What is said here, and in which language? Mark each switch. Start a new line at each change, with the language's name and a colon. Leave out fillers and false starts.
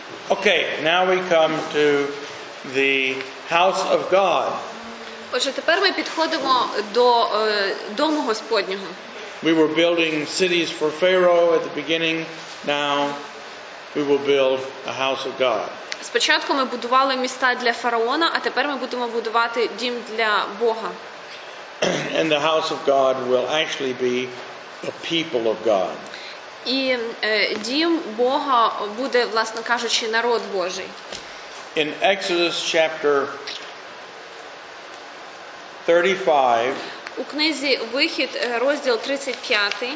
English: Okay, now we come to the house of God.
Ukrainian: Отже, тепер ми підходимо до дому Господнього.
English: We were building cities for Pharaoh at the beginning. Now we will build a house of God.
Ukrainian: Спочатку ми будували міста для фараона, а тепер ми будемо будувати дім для Бога.
English: And the house of God will actually be a people of God.
Ukrainian: І дім Бога буде, власне кажучи, народ Божий.
English: In Exodus chapter 35.
Ukrainian: У книзі Вихід, розділ 35.